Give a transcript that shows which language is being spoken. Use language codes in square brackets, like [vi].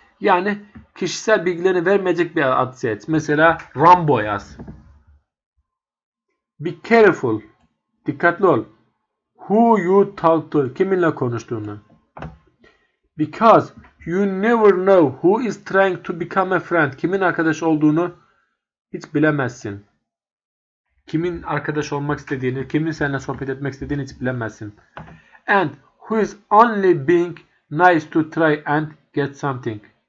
[tr] Yani kişisel bilgilerini vermeyecek bir ad seç. Mesela Rambo yaz. [en] Be careful. [tr] Dikkatli ol. [en] Who you talk to. [tr] Kiminle konuştuğunu. [en] Because you never know who is trying to become a friend. [tr] Kimin arkadaş olduğunu hiç bilemezsin. Kimin arkadaş olmak istediğini, kimin seninle sohbet etmek istediğini hiç bilemezsin. [en] And who is only being nice to try and get something.